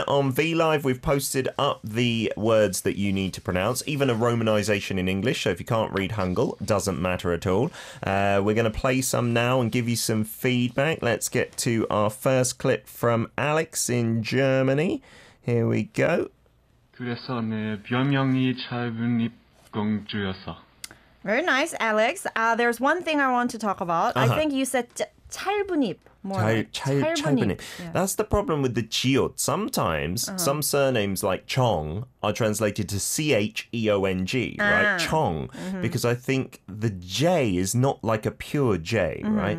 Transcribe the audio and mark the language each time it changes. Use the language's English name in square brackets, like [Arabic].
[English] On VLive, we've posted up the words that you need to pronounce, even a romanization in English. So if you can't read Hangul, doesn't matter at all. We're going to play some now and give you some feedback. Let's get to our first clip from Alex in Germany. Here we go. [Korean] 그래서 내 별명이 짧은 입 공주였어. [English] Very nice, Alex. There's one thing I want to talk about. I think you said [Korean] 짧은 입. [English] More like 짧은 입. Yeah. That's the problem with the chiot. Sometimes some surnames like Chong are translated to C-H-E-O-N-G, right? Chong. Because I think the J is not like a pure J, right?